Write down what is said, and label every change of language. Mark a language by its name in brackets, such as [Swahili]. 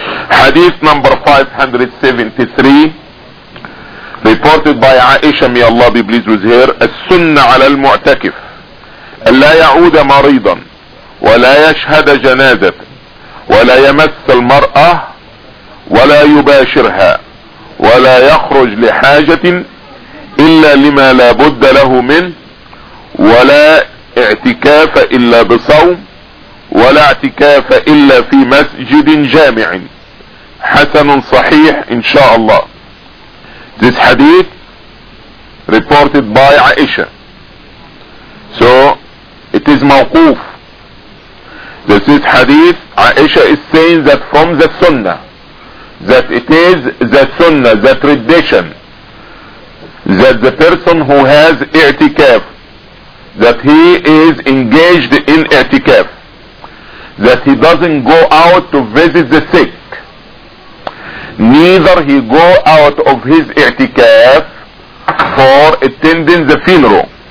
[English] Hadith number 573 reported by Aisha, may Allah be pleased with her, [Arabic] As-Sunnah ala al-Mu'takif لا يعود مريضا ولا يشهد جنازة ولا يمس المرأة ولا يباشرها ولا يخرج لحاجة إلا لما لابد له من، ولا اعتكاف إلا بصوم، ولا اعتكاف إلا في مسجد جامع. حسن صحيح إن شاء الله. [English] This hadith reported by Aisha. So it is موقوف. This is hadith Aisha is saying that from the sunnah, that it is the sunnah, the tradition, that the person who has i'tikaf, that he is engaged in i'tikaf, that he doesn't go out to visit the sick, neither he go out of his i'tikaf for attending the funeral,